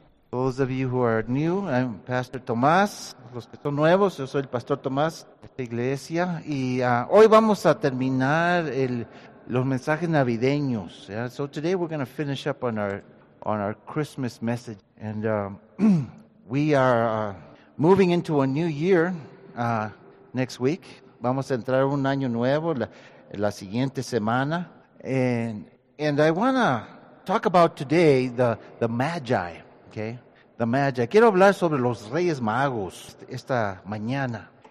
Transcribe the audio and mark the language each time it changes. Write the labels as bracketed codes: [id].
[en] Those of you who are new, I'm Pastor Tomás. [es] Los que son nuevos, yo soy el Pastor Tomás de esta iglesia. Y hoy vamos a terminar los mensajes navideños. [en] Yeah? So today we're going to finish up on our Christmas message. And we are moving into a new year next week. [es] Vamos a entrar un año nuevo la siguiente semana. [en] And I want to talk about today the Magi, okay? The Magi. [es] Quiero hablar sobre los Reyes Magos esta mañana.